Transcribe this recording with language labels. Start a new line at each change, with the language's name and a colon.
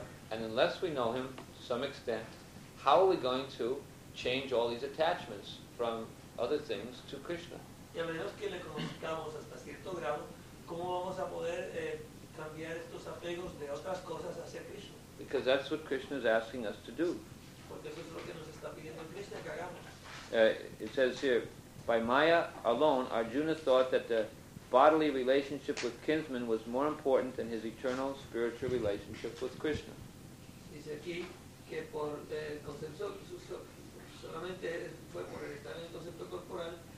English: And unless we know him to some extent, how are we going to change all these attachments from other things to Krishna?
Spanish: Y a menos que le conozcamos hasta cierto grado, ¿cómo vamos a poder cambiar estos apegos de otras cosas hacia Krishna?
English: Because that's what Krishna is asking us to do.
Spanish: Porque eso es lo que nos está pidiendo Krishna que hagamos.
English: It says here, by Maya alone, Arjuna thought that the bodily relationship with kinsmen was more important than his eternal spiritual relationship with Krishna.
Spanish: Dice aquí que por el concepto, solamente fue por estar en el concepto corporal,